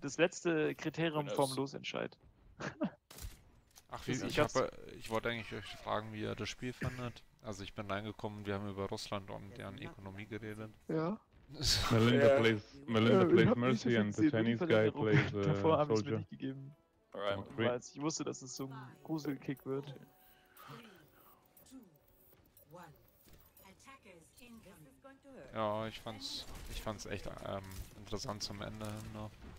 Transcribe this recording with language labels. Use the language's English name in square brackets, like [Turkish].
[German] Das letzte Kriterium vom Losentscheid. Ach, ich wollte eigentlich euch fragen, wie ihr das Spiel fandet. Also ich bin reingekommen, wir haben über Russland und deren Ökonomie geredet. Ja. [English] Melinda plays Mercy and the Chinese guy plays the soldier. [German] Davor haben sie es mir nicht gegeben. Weil ich wusste, dass es so ein Gruselkick wird. Ja, ich fand's echt interessant zum Ende hin noch.